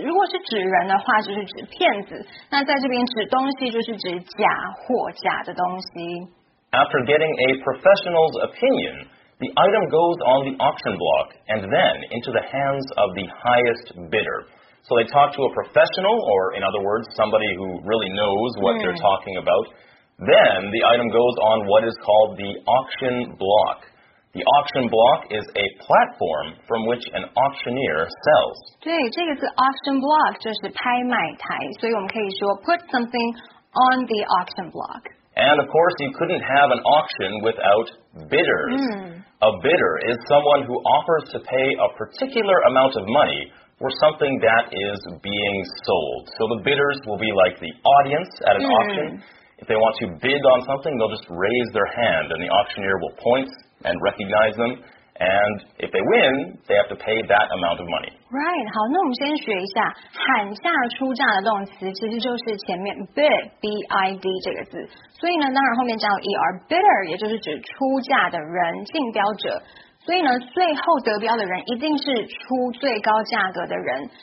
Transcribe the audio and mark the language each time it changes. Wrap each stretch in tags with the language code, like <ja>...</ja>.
<zh>如果是指人的话，就是指骗子。那在这边指东西，就是指假货、假的东西。</zh> <en>After getting a professional's opinion... The item goes on the auction block and then into the hands of the highest bidder. So they talk to a professional, or in other words, somebody who really knows what they're talking about. Then the item goes on what is called the auction block. The auction block is a platform from which an auctioneer sells.</en> <zh>对，这个是 auction block, 就是拍卖台。所以我们可以说</zh> <en>put something on the auction block. And, of course, you couldn't have an auction without bidders. A bidder is someone who offers to pay a particular amount of money for something that is being sold. So the bidders will be like the audience at an auction. If they want to bid on something, they'll just raise their hand, and the auctioneer will point and recognize them. And if they win, they have to pay that amount of money. Right.</en> <zh>好，那我们先学一下喊价出价的动词，其实就是前面 bid, B-I-D 这个字。所以呢，当然后面加了 er, bidder 也就是指出价的人、竞标者。所以呢，最后得标的人一定是出最高价格的人。</zh>